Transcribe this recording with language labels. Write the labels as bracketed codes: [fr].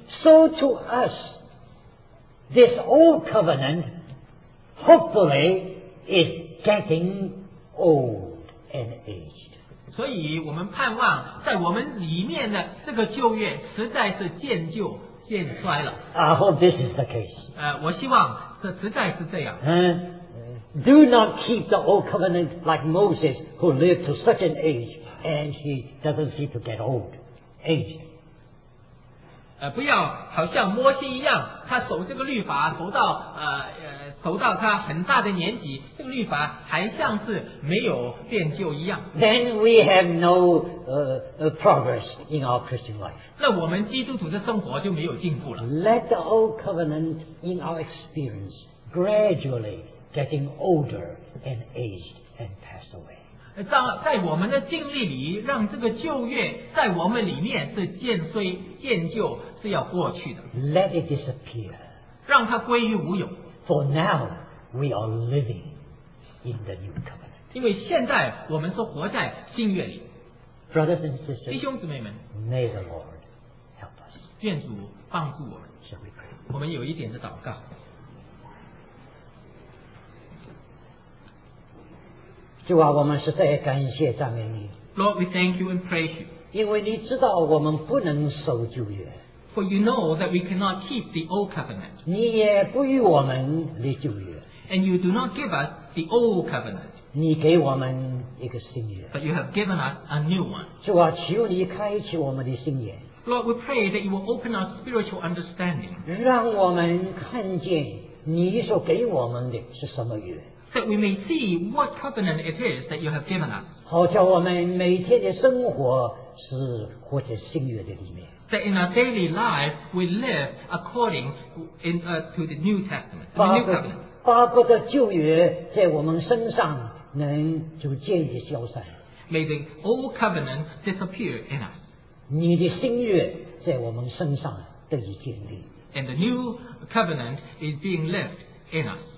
[en] So to us, this old covenant hopefully is getting old and aged. [zh] 所以我们盼望在我们里面的这个旧约实在是渐旧渐衰了。 [en] I hope this is the case. [zh] 我希望这实在是这样。 [en] Do not keep the old covenant like Moses, who lived to such an age, and he doesn't seem to get old. Age. [zh] 不要好像摩西一样，他守这个律法，守到他很大的年纪，这个律法还像是没有变旧一样。 [en] Then we have no progress in our Christian life. [zh] 那我们基督徒的生活就没有进步了。 [en] Let the old covenant in our experience gradually getting older and aged and passed away. [zh] 在我们的经历里，让这个旧约在我们里面是渐衰渐旧，是要过去的。 [en] Let it disappear. [zh] 让它归于无有。 [en] For now, we are living in the new covenant. [zh] 因为现在我们是活在新约里。 [en] Brothers and sisters, [zh] 弟兄姊妹们， [en] May the Lord help us. [zh] 愿主帮助我们。 [en] Shall we pray? [zh] 我们有一点的祷告。主啊，我们实在感谢赞美你。 [en] Lord, we thank you and praise you. [zh] 因为你知道我们不能守旧约。 [en] For you know that we cannot keep the old covenant. [zh] 你也不与我们立旧约。 [en] And you do not give us the old covenant. [zh] 你给我们一个新约。 [en] But you have given us a new one. [zh] 主啊，求你开启我们的心眼。 [en] Lord, we pray that you will open our spiritual understanding. [zh] 让我们看见你所给我们的是什么约。 [en] That we may see what covenant it is that you have given us. [zh] 好叫我们每天的生活是活在新约的里面。 [en] That in our daily life, we live according in,、to the New Testament, the New Covenant. [zh] 巴不得旧约在我们身上能就渐渐消散。 [en] May the old covenant disappear in us. [zh] 你的新约在我们身上得以建立。 [en] And the new covenant is being lived in us.